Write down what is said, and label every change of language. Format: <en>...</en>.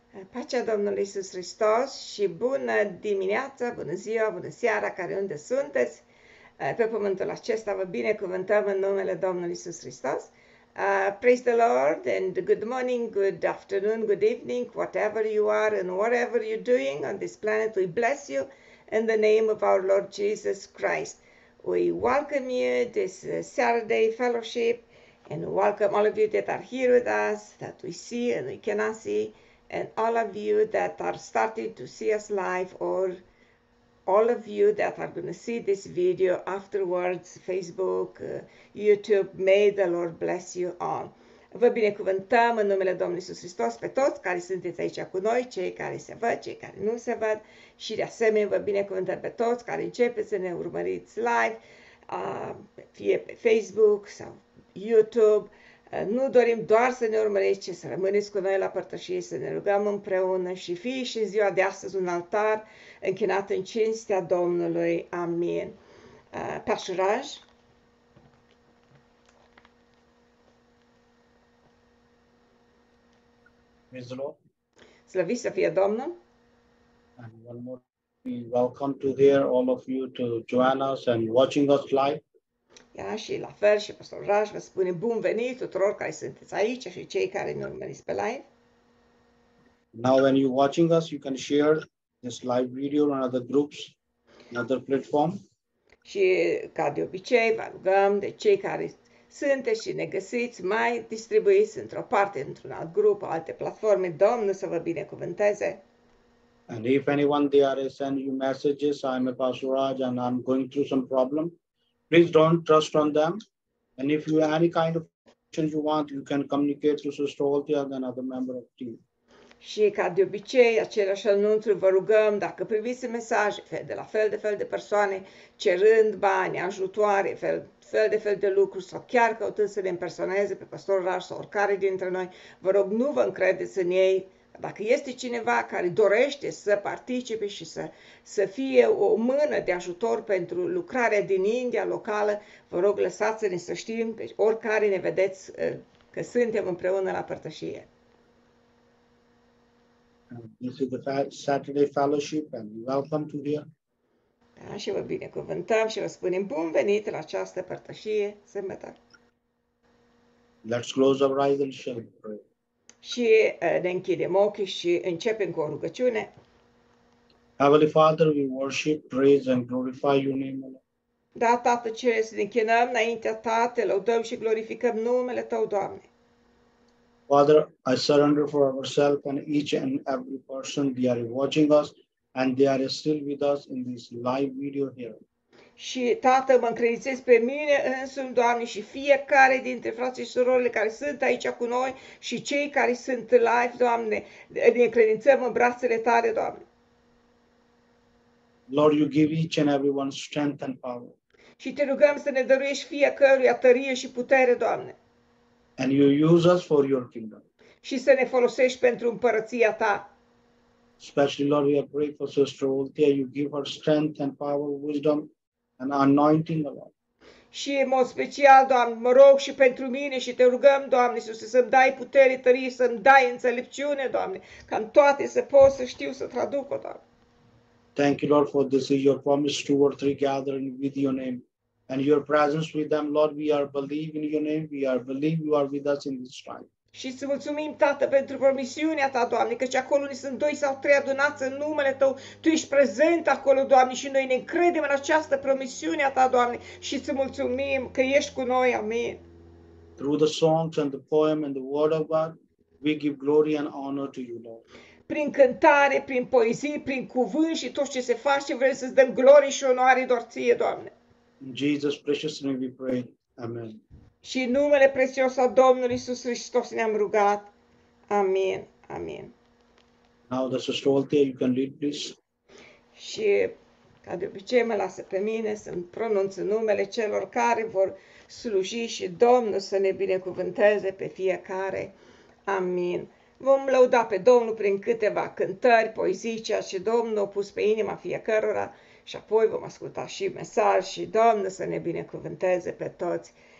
<ro>Pacea Domnului Iisus Hristos și bună dimineața, bună ziua, bună seara, care unde sunteți, pe pământul acesta vă binecuvântăm în numele Domnului Iisus Hristos.</ro> <en>Praise the Lord and good morning, good afternoon, good evening, whatever you are and whatever you're doing on this planet, we bless you in the name of our Lord Jesus Christ. We welcome you this Saturday fellowship and welcome all of you that are here with us, that we see and we cannot see. And all of you that are starting to see us live, or all of you that are going to see this video afterwards, Facebook, YouTube, may the Lord bless you all.</en> <ro>Vă binecuvântăm în numele Domnului Iisus Hristos pe toți care sunteți aici cu noi, cei care se văd, cei care nu se văd, și de asemenea vă binecuvântăm pe toți care începeți să ne urmăriți live, fie pe Facebook sau YouTube. Nu dorim doar să ne urmăriți, ci să rămâneți cu noi la părtășie, să ne rugăm împreună și fie și în ziua de astăzi un altar închinat în cinstea Domnului. Amin. Pașuraj. Slăviți să fie Domnul.</ro> <en>Welcome to here, all of you, to join us and watching us live.</en> <ro>Da, și la fel și pastor Raj vă spune bun venit tuturor care sunteți aici și cei care ne urmăriți pe live.</ro> <en>Now when you're watching us, you can share this live video on other groups, another platform.</en> <ro>Și ca de obicei, vă rugăm de cei care sunteți și ne găsiți, mai distribuiți într-o parte, într-un alt grup, alte platforme, Domnul să vă binecuvânteze.</ro> <en>And if anyone there send you messages, I'm a pastor Raj and I'm going through some problem. Please don't trust on them. And if you have any kind of questions you want, you can communicate to Sister Olteag and another member of the team.</en> <ro>Și ca de obicei, același anunțul, vă rugăm, dacă priviți mesaje de la fel de fel de persoane, cerând bani, ajutoare, fel de lucruri, sau chiar căutând să ne impersoneze pe pastorul Raj sau oricare dintre noi, vă rog, nu vă încredeți în ei. Dacă este cineva care dorește să participe și să fie o mână de ajutor pentru lucrarea din India locală, vă rog, lăsați-ne să știm, oricare ne vedeți, că suntem împreună la părtășie.</ro> <en>This is the Saturday Fellowship and welcome to here.</en> <ro>Da, și vă binecuvântăm și vă spunem bun venit la această părtășie sâmbătă.</ro> <en>Let's close our eyes and shall pray.</en> <ro>Și ne închidem ochii și începem cu o rugăciune.</ro> <en>Heavenly Father, we worship, praise and glorify your name.</en> <ro>Da, Tată Ceresc, ne închinăm înaintea Ta, te lăudăm și glorificăm numele Tău, Doamne.</ro> <en>Father, I surrender for ourselves and each and every person they are watching us and they are still with us in this live video here.</en> <ro>Și Tată, mă încredințez pe mine însumi, Doamne, și fiecare dintre frații și surorile care sunt aici cu noi și cei care sunt live, Doamne, ne încredințăm în brațele Tale, Doamne.</ro> <en>Lord, you give each and everyone strength and power.</en> <ro>Și te rugăm să ne dăruiești fiecăruia tărie și putere, Doamne.</ro> <en>And you use us for your kingdom.</en> <ro>Și să ne folosești pentru împărăția Ta.</ro> <en>Especially, Lord, we pray for Sister Olteag, you give her strength and power, wisdom. And anointing the Lord.</en> <ro>Și în mod special, Doamne, mă rog și pentru mine și te rugăm, Doamne, să-mi dai putere, tărie, să-mi dai înțelepciune, Doamne, ca în toate să pot să știu să traduc-o, Doamne.</ro> <en>Thank you, Lord, for this is your promise, two or three gathering with your name. And your presence with them, Lord, we are believing in your name, we are believing you are with us in this time.</en> <ro>Și să mulțumim, Tată, pentru promisiunea Ta, Doamne, căci acolo ne sunt doi sau trei adunați în numele Tău. Tu ești prezent acolo, Doamne, și noi ne credem în această promisiune a Ta, Doamne, și să mulțumim că ești cu noi. Amin.</ro> <en>Through the songs and the poem and the word of God, we give glory and honor to you, Lord.</en> <ro>Prin cântare, prin poezii, prin cuvânt și tot ce se face, vrem să-ți dăm glorie și onoare doar Ție, Doamne.</ro> <en>In Jesus' precious name we pray. Amen.</en> <ro>Și în numele prețios al Domnului Iisus Hristos ne-am rugat. Amin. Amin.</ro> <en>Now the Sister Olteag, you can lead, please.</en> <ro>Și ca de obicei mă lasă pe mine să-mi pronunț numele celor care vor sluji și Domnul să ne binecuvânteze pe fiecare. Amin. Vom lăuda pe Domnul prin câteva cântări, poezii, ceea ce Domnul a pus pe inima fiecărora și apoi vom asculta și mesaj și Domnul să ne binecuvânteze pe toți.</ro>